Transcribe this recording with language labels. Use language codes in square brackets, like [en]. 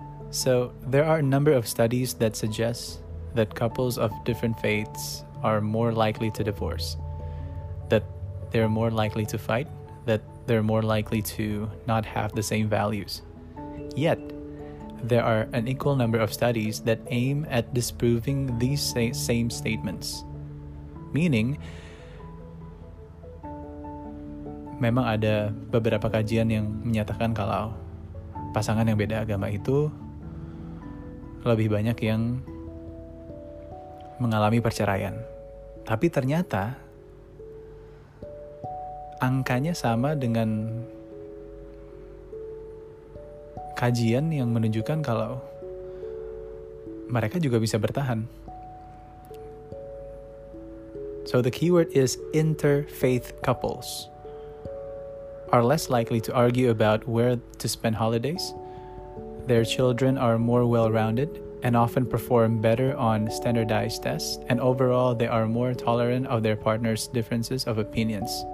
[en] So, there are a number of studies that suggest that couples of different faiths are more likely to divorce, that they're more likely to fight, that they're more likely to not have the same values. Yet, there are an equal number of studies that aim at disproving these same statements. [id] Meaning, memang ada beberapa kajian yang menyatakan kalau pasangan yang beda agama itu lebih banyak yang mengalami perceraian. Tapi ternyata angkanya sama dengan kajian yang menunjukkan kalau mereka juga bisa bertahan. [en] So the keyword is interfaith couples are less likely to argue about where to spend holidays. Their children are more well-rounded and often perform better on standardized tests. And overall, they are more tolerant of their partner's differences of opinions.